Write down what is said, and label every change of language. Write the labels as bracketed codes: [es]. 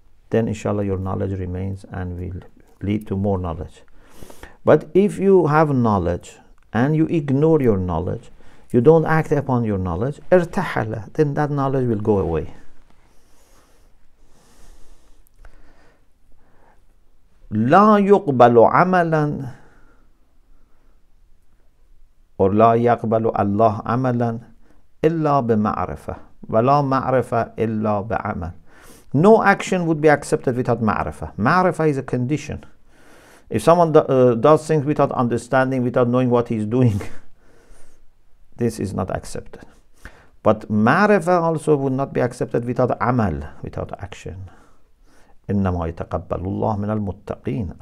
[en] Then inshallah your knowledge remains and will lead to more knowledge. But if you have knowledge and you ignore your knowledge, you don't act upon your knowledge, ارتحله, then that knowledge will go away. [ar] لا يقبل عملا or لا يقبل الله عملا إلا بمعرفة ولا معرفة إلا بعمل. [en] No action would be accepted without ma'rifa. Ma'rifa is a condition. If someone does things without understanding, without knowing what he's doing, this is not accepted. But ma'rifa also would not be accepted without amal, without action. [ar] إِنَّمَا يَتَقَبَّلُ اللَّهُ مِنَ الْمُتَّقِينَ.